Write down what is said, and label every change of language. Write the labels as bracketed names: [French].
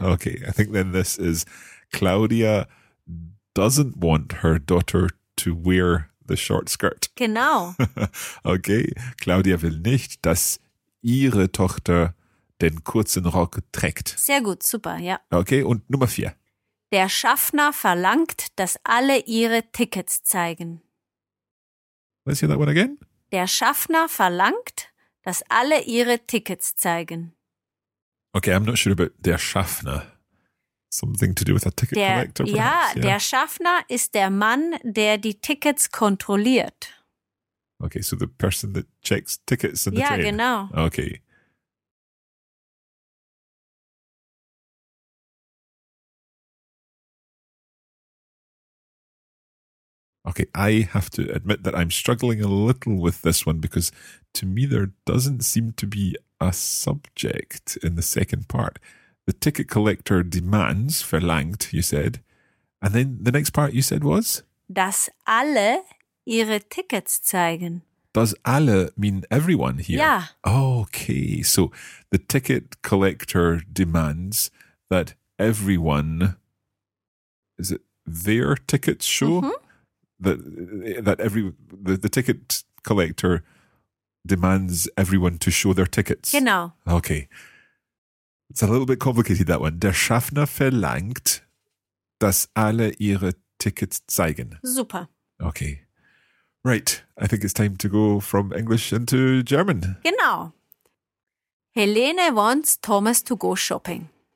[English] Okay, I think then this is Claudia doesn't want her daughter to wear the short skirt. Genau. [German] Okay, Claudia will nicht, dass ihre Tochter den kurzen Rock trägt. Sehr gut, super, ja. Okay, und Nummer vier. Der Schaffner verlangt, dass alle ihre Tickets zeigen. [English] Let's hear that one again. [German] Der Schaffner verlangt, dass alle ihre Tickets zeigen. [English] Okay, I'm not sure about der Schaffner. Something to do with a ticket collector, perhaps. Yeah. [German] Der Schaffner ist der Mann, der die Tickets kontrolliert. [English] Okay, so the person that checks tickets in the train. [German] Ja, genau. [English] Okay. Okay, I have to admit that I'm struggling a little with this one because to me there doesn't seem to be a subject in the second part. The ticket collector demands, verlangt, you said. And then the next part you said was? [German] Dass alle ihre Tickets zeigen. [English] Does alle mean everyone here? Yeah. Okay, so the ticket collector demands that everyone, is it their tickets show? Mm-hmm. The ticket collector demands everyone to show their tickets. [German] Genau. [English] Okay. It's a little bit complicated, that one. [German] Der Schaffner verlangt, dass alle ihre Tickets zeigen. Super. [English] Okay. Right. I think it's time to go from English into German. Genau. Helene wants Thomas to go shopping.